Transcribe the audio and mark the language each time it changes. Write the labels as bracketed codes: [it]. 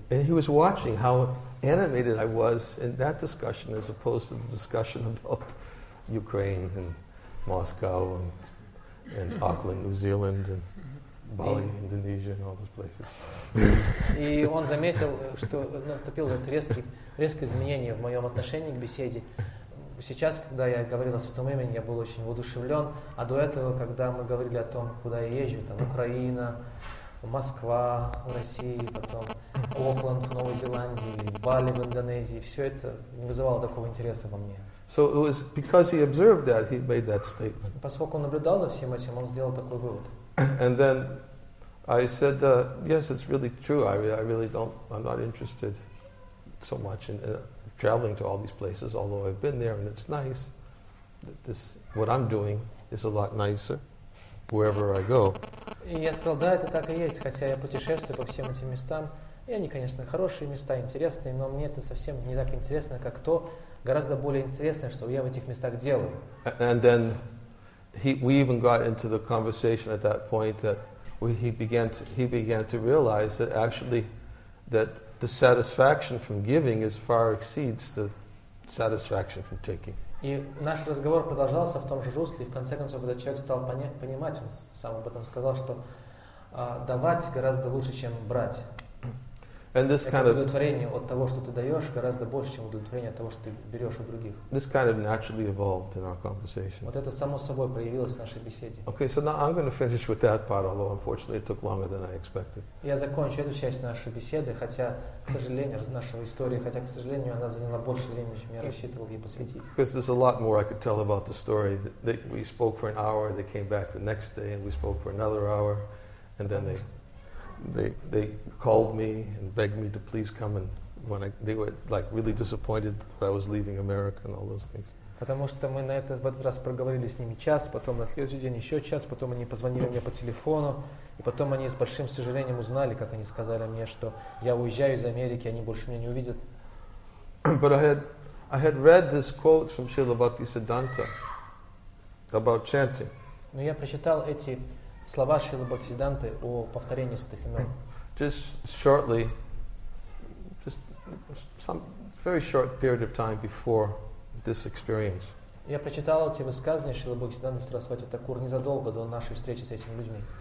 [en] And he was watching how animated I was in that discussion as opposed to the discussion about Ukraine and Moscow and Auckland, New Zealand and Bali, Indonesia and all those places. [ru] И он заметил, что наступил вот резкое изменение в моем отношении к беседе. Сейчас, когда я говорил о Святом Имени, я был очень воодушевлен, а до этого, когда мы говорили о том, куда я езжу, там Украина, Москва в России, потом Окленд в Новой Зеландии, Бали в Индонезии, все это не вызывало такого интереса во мне. [en] So it was because he observed that, he made that statement. [ru] Поскольку он наблюдал за всем этим, он сделал такой вывод. [en] And then I said, yes, it's really true, I'm not interested so much in it. Traveling to all these places, although I've been there and it's nice, this what I'm doing is a lot nicer wherever I go. [ru] И я сказал, да, это так и есть, хотя я путешествую по всем этим местам, и они, конечно, хорошие места, интересные, но мне это совсем не так интересно, как то, гораздо более интересное, что я в этих местах делаю. [en] And then we even got into the conversation at that point that he began to realize that actually that the satisfaction from giving is far exceeds the satisfaction from taking. [ru] И наш разговор продолжался в том же русле, и в конце концов, когда человек стал понимать, он сам об этом сказал, что давать гораздо лучше, чем брать. [en] And this kind of [ru] удовлетворение от того, что ты даешь, гораздо больше, чем удовлетворение от того, что ты берешь у других. [en] This kind of naturally evolved in our conversation. [ru] Вот это само собой проявилось в нашей беседе. [en] Okay, so now I'm going to finish with that part, although unfortunately it took longer than I expected. [ru] Я закончу эту часть нашей беседы, хотя, к сожалению, нашей истории, хотя, к сожалению, она заняла больше времени, чем я рассчитывал ей посвятить. [en] Because there's a lot more I could tell about the story. That we spoke for an hour, they came back the next day, and we spoke for another hour, and then they called me and begged me to please come, and when they were like really disappointed that I was leaving America and all those things. [ru] Потому что мы на этот в этот раз проговорили с ними час, потом на следующий день еще час, потом они позвонили мне по телефону, и потом они с большим сожалением узнали, как они сказали мне, что я уезжаю из Америки, они больше меня не увидят. [en] But I had read this quote from Srila Bhaktisiddhanta about chanting. [ru] Но я прочитал эти слова Шрилы Бхактисиддханты о повторении святых имен. [en] Just shortly, just some very short period of time before this experience. [ru] Я прочитал эти высказывания Шрилы Бхактисиддханты Сарасвати Такур незадолго до нашей встречи с этими людьми.